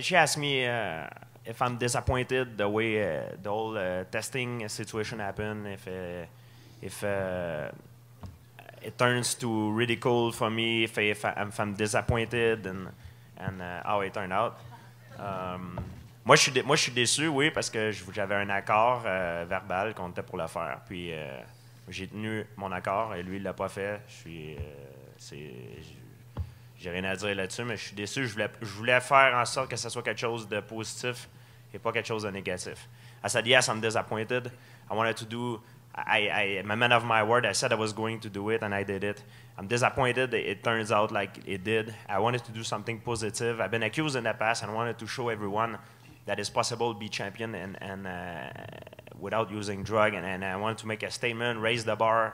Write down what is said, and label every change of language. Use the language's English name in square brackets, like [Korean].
[English] She asked me if I'm disappointed the way the whole testing situation happened, if it turns to ridicule for me, if I'm disappointed and how it turned out. [French] Moi, je suis déçu, oui, parce que j'avais un accord verbal qu'on était pour le faire. Puis, j'ai tenu mon accord et lui, il ne l'a pas fait. J'ai rien à dire là-dessus, mais je suis déçu. Je voulais faire en sorte que ce soit quelque chose de positif et pas quelque chose de négatif. [English] I said, yes, I'm disappointed. I wanted to do... I'm a man of my word. I said I was going to do it, and I did it. I'm disappointed that it turns out like it did. I wanted to do something positive. I've been accused in the past, and I wanted to show everyone that it's possible to be champion and without using drug, and I wanted to make a statement, raise the bar.